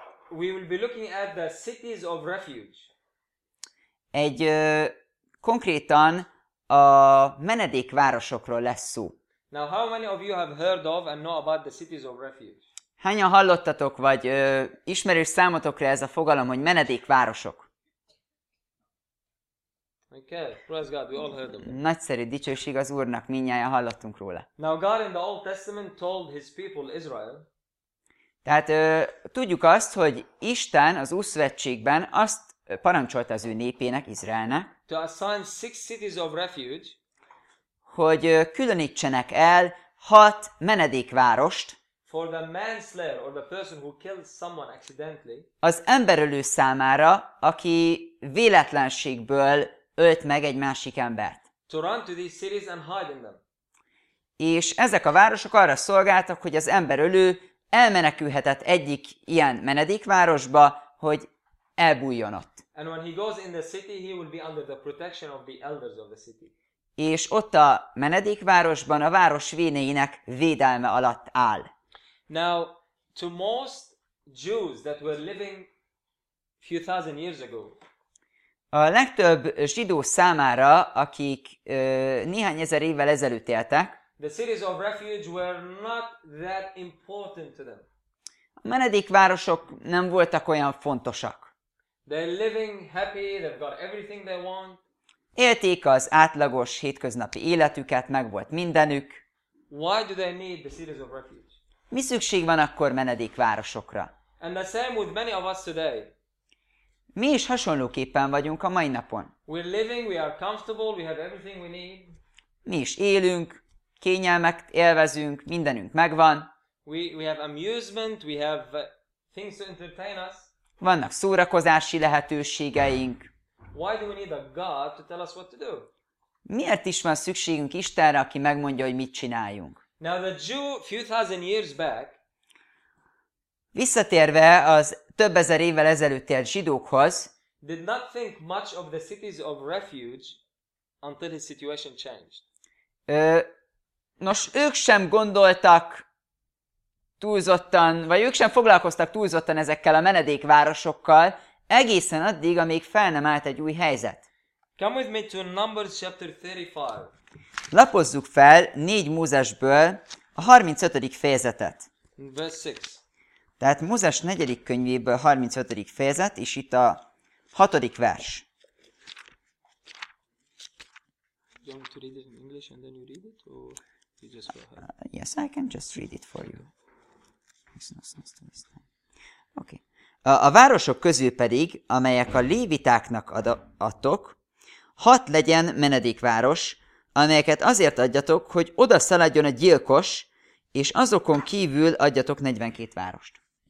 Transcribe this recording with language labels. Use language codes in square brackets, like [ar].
[en] We will be looking at the cities of refuge. [hu] Egy konkrétan a menedékvárosokról lesz szó. [en] Now how many of you have heard of and know about the cities of refuge? [hu] Hányan hallottatok, vagy ismerős számotokra ez a fogalom, hogy menedékvárosok? [en] Okay, praise God, we all heard of it. [hu] Nagyszerű dicsőség az Úrnak, mindnyájan hallottunk róla. [en] Now God in the Old Testament told his people Israel. [hu] Tehát tudjuk azt, hogy Isten az Ószövetségben azt parancsolta az ő népének, Izraelnek, [en] to assign six cities of refuge, [hu] hogy különítsenek el hat menedékvárost [en] for the manslayer or the person who kills someone accidentally, [hu] az emberölő számára, aki véletlenségből ölt meg egy másik embert. [en] To run to these cities and hide in them. [hu] És ezek a városok arra szolgáltak, hogy az emberölő elmenekülhetett egyik ilyen menedékvárosba, hogy elbújjon ott. [en] And when he goes in the city, he will be under the protection of the elders of the city. [hu] És ott a menedékvárosban a város vénéinek védelme alatt áll. [en] Now, to most Jews that were living a few thousand years ago, [hu] a legtöbb zsidó számára, akik néhány ezer évvel ezelőtt éltek, [en] the cities of refuge were not that important to them. [hu] A menedékvárosok nem voltak olyan fontosak. [en] They're living happy, they've got everything they want. [hu] Élték az átlagos hétköznapi életüket, meg volt mindenük. [en] Why do they need the cities of refuge? [hu] Mi szükség van akkor menedékvárosokra? [en] And the same with many of us today. [hu] Mi is hasonlóképpen vagyunk a mai napon. [en] We're living, we are comfortable, we have everything we need. [hu] Mi is élünk, kényelmet élvezünk, mindenünk megvan. [en] We have amusement, we have things to entertain us. [hu] Vannak szórakozási lehetőségeink. [en] Why do we need a God to tell us what to do? [hu] Miért is van szükségünk Istenre, aki megmondja, hogy mit csináljunk? [en] Now the Jew few thousand years back. [hu] Visszatérve az több ezer évvel ezelőtt élt zsidókhoz, [en] did not think much of the cities of refuge until his situation changed. [hu] Nos, ők sem gondoltak túlzottan, vagy ők sem foglalkoztak túlzottan ezekkel a menedékvárosokkal, egészen addig, amíg fel nem állt egy új helyzet. [en] Come with me to Numbers chapter 35. [hu] Lapozzuk fel 4 Mózesből a 35. fejezetet. [en] Verse 6. [hu] Tehát Mózes 4. könyvéből 35. fejezet, és itt a 6. vers. [en] You want to read it in English and then you read it, or you just go ahead? Yes, I can just read it for you. It's not nice to understand. Okay. [hu] A városok közül pedig, amelyek a lévitáknak adtok, 6 legyen menedékváros, amelyeket azért adjatok, hogy oda szaladjon a gyilkos, és azokon kívül adjatok 42 várost.